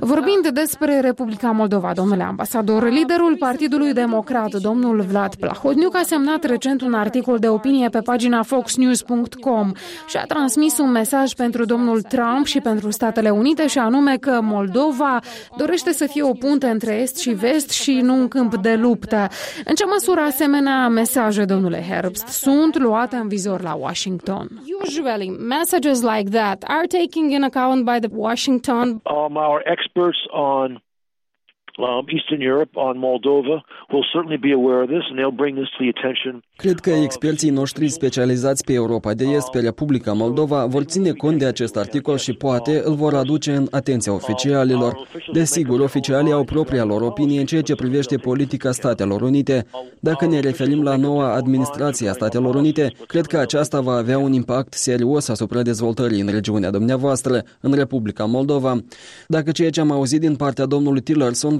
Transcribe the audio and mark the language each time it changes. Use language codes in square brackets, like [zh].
[ro] vorbind despre Republica Moldova, domnule ambasador, liderul Partidului Democrat, domnul Vlad Plahotniuc, a semnat recent un articol de opinie pe pagina foxnews.com și a transmis un mesaj pentru domnul Trump și pentru Statele Unite, și anume că Moldova dorește să fie o punte între Est și Vest și nu un câmp de luptă. În ce măsură asemenea mesaje, domnule Herbst, sunt luate în vizor la Washington? [en] Usually, messages like that are taking in account by the Washington. Our experts on Eastern Europe, on Moldova, will certainly be aware of this, and they'll bring this to the attention. [ro] Cred că experții noștri specializați pe Europa de Est, pe Republica Moldova, vor ține cont de acest articol și poate îl vor aduce în atenția oficialilor. Desigur, oficialii au propria lor opinie în ceea ce privește politica Statelor Unite. Dacă ne referim la noua administrație a Statelor Unite, cred că aceasta va avea un impact serios asupra dezvoltării în regiunea dumneavoastră, în Republica Moldova. Dacă ceea ce am auzit din partea domnului Tillerson